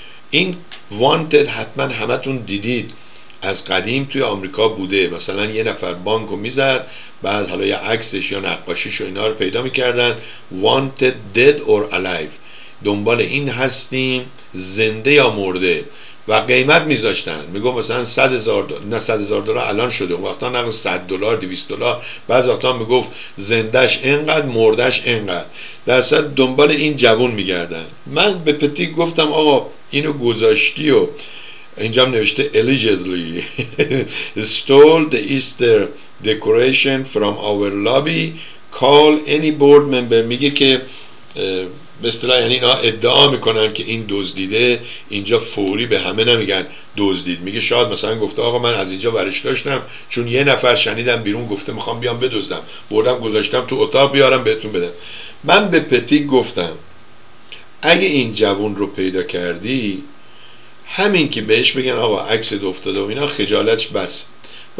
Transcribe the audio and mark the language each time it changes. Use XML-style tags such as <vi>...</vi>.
<fa>این wanted حتما همتون دیدید از قدیم توی آمریکا بوده، مثلا یه نفر بانکو میزد، بعد حالا یه عکسش یا نقاشیش و اینا رو پیدا میکردن،</fa> <en>wanted dead or alive،</en> <fa>دنبال این هستیم زنده یا مرده، و قیمت میذاشتن، میگم مثلا $100,000 الان شده، اون وقتا نقل $100 $200، بعض وقتا میگفت زندش اینقدر مردش اینقدر، در صد دنبال این جوون میگردن. من به پتی گفتم آقا اینو گذاشتی و اینجا هم نوشته</fa> <en>allegedly stole the Easter decoration from our lobby, call any board member.</en> <fa>میگه که به اصطلاح یعنی اینا ادعا میکنن که این دزدیده، اینجا فوری به همه نمیگن دزدید، میگه شاید مثلا گفته آقا من از اینجا ورش داشتم چون یه نفر شنیدم بیرون گفته میخوام بیام بدزدم، بردم گذاشتم تو اتاق بیارم بهتون بدم. من به پتی گفتم اگه این جوون رو پیدا کردی، همین که بهش بگن آقا عکس افتاده و اینا، خجالتش بس، و</fa>